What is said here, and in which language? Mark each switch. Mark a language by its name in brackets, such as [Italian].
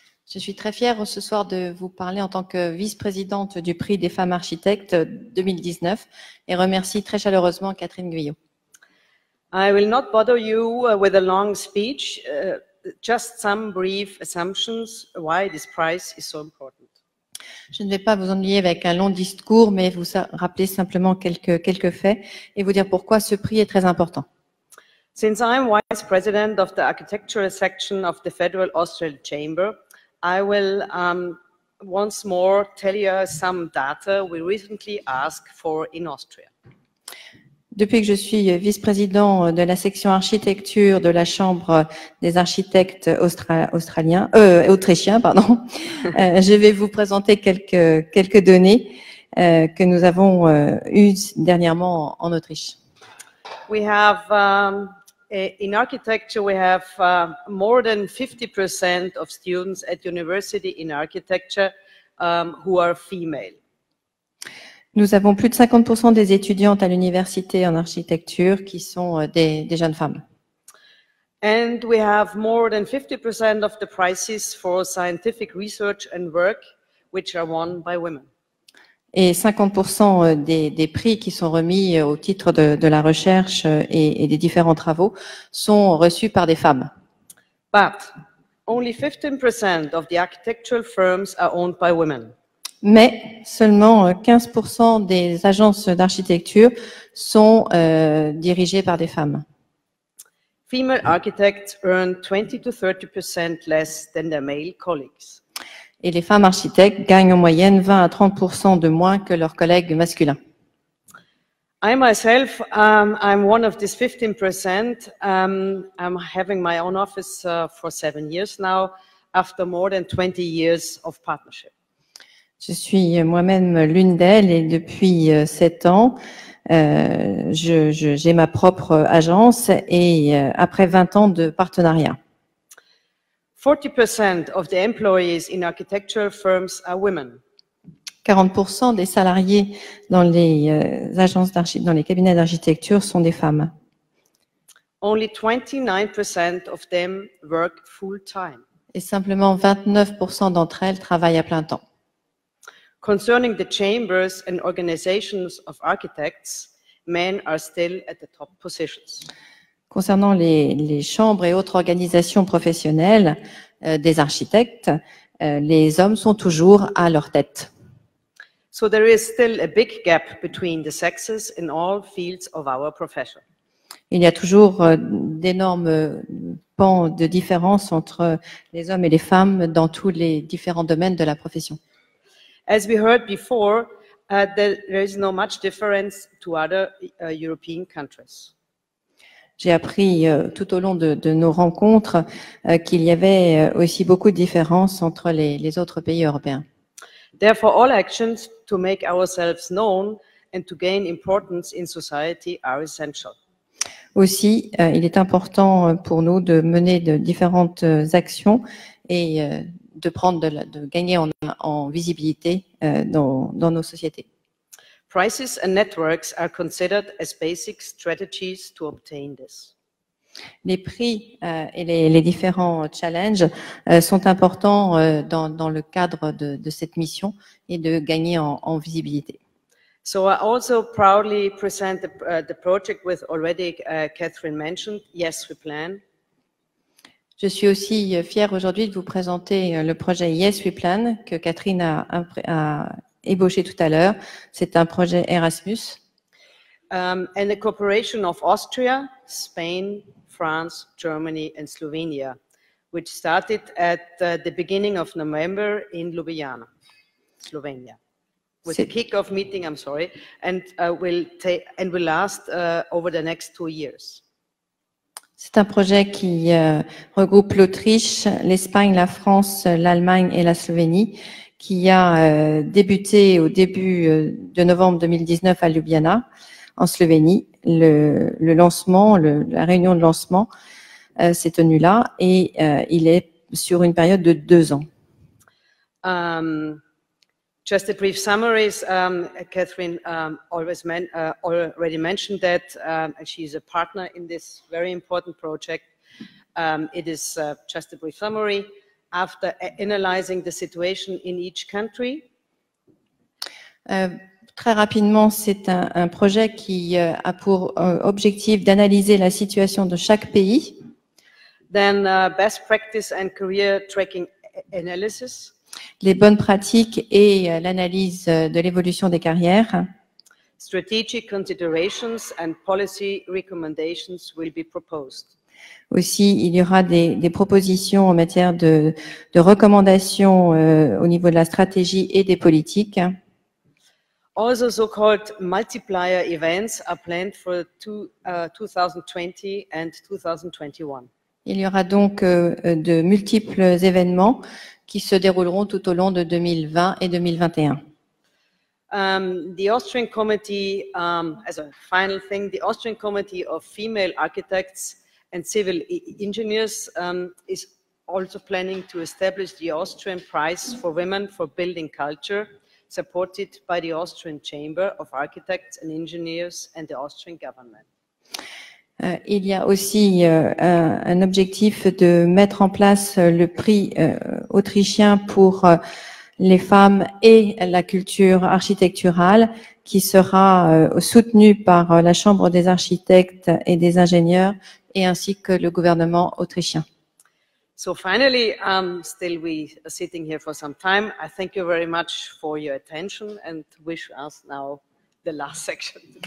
[French] Je suis très fière ce soir de vous parler en tant que vice-présidente du Prix des femmes architectes 2019 et remercie très chaleureusement Catherine Guyot. [English] I will not bother you with a long speech. Just some brief assumptions why this prize is so important. [French] Je ne vais pas vous ennuyer avec un long discours, mais vous rappeler simplement quelques faits et vous dire pourquoi ce prix est très important. [English] Since I'm vice president of the architectural section of the Federal Austrian Chamber, I will once more tell you some data we recently asked for in Austria. [French] Depuis que je suis vice-président de la section architecture de la Chambre des architectes autrichiens, pardon, je vais vous présenter quelques données que nous avons eues dernièrement en Autriche. [English] We have in architecture we have more than 50% of students at university in architecture who are female. [French] Nous avons plus de 50% des étudiantes à l'université en architecture qui sont des jeunes femmes. [English] And we have more than 50% of the prizes for scientific research and work which are won by women. [French] Et 50% des prix qui sont remis au titre de la recherche et des différents travaux sont reçus par des femmes. [English] But only 15% of the architectural firms are owned by women. [French] Mais seulement 15% des agences d'architecture sont dirigées par des femmes. [English] Female architects earn 20 to 30% less than their male colleagues. [French] Et les femmes architectes gagnent en moyenne 20 à 30% de moins que leurs collègues masculins. [English] I myself, I'm one of these 15%. I'm having my own office for 7 years now, after more than 20 years of partnership. [French] Je suis moi-même l'une d'elles et depuis 7 ans, j'ai ma propre agence et après 20 ans de partenariat. [English] 40% of the employees in architectural firms are women. [French] 40% des salariés dans les cabinets d'architecture sont des femmes. [English] Only 29% of them work full-time. [French] Et simplement 29% d'entre elles travaillent à plein temps. [English] Concerning the chambers and organizations of architects, men are still at the top positions. [French] Concernant les chambres et autres organisations professionnelles des architectes, les hommes sont toujours à leur tête. [English] So there is still a big gap between the sexes in all fields of our profession. [French] Il y a toujours d'énormes pans de différence entre les hommes et les femmes dans tous les différents domaines de la profession. [English] As we heard before, there is no much difference to other European countries. [French] J'ai appris tout au long de nos rencontres qu'il y avait aussi beaucoup de différences entre les autres pays européens. [English] Therefore, all actions to make ourselves known and to gain importance in society are essential. [French] Aussi, il est important pour nous de mener de différentes actions et de gagner en visibilité dans nos sociétés. [English] Prices and networks are considered as basic strategies to obtain this. [French] Les prix et les différents challenges sont importants dans le cadre de cette mission et de gagner en visibilité. [English] So I also proudly present the project with already Catherine mentioned, Yes We Plan. [French] Je suis aussi fière aujourd'hui de vous présenter le projet Yes We Plan que Catherine a ébauché tout à l'heure. C'est un projet Erasmus. [English] And the cooperation of Austria, Spain, France, Germany and Slovenia, which started at the beginning of November in Ljubljana, Slovenia. With a kick-off meeting, I'm sorry, and will last over the next 2 years. [French] C'est un projet qui regroupe l'Autriche, l'Espagne, la France, l'Allemagne et la Slovénie, qui a débuté au début de novembre 2019 à Ljubljana, en Slovénie. La réunion de lancement s'est tenue là et il est sur une période de 2 ans. [English] Just a brief summary. Catherine already mentioned that she is a partner in this very important project. It is just a brief summary. After analyzing the situation in each country. [French] Très rapidement, c'est un projet qui a pour objectif d'analyser la situation de chaque pays. [English] Then best practice and career tracking analysis. [French] Les bonnes pratiques et l'analyse de l'évolution des carrières. [English] Strategic considerations and policy recommendations will be proposed. [French] Aussi, il y aura des propositions en matière de recommandations au niveau de la stratégie et des politiques. [English] Also so-called multiplier events are planned for 2020 and 2021. [French] Il y aura donc de multiples événements qui se dérouleront tout au long de 2020 et 2021. [English] The Austrian Committee, as a final thing, the Austrian Committee of Female Architects and Civil Engineers is also planning to establish the Austrian Prize for Women for Building Culture, supported by the Austrian Chamber of Architects and Engineers and the Austrian Government. [French] Il y a aussi un objectif de mettre en place le prix autrichien pour les femmes et la culture architecturale, qui sera soutenue par la Chambre des architectes et des ingénieurs, et ainsi que le gouvernement autrichien. [English] So finally, still we are sitting here for some time. I thank you very much for your attention and wish us now the last section.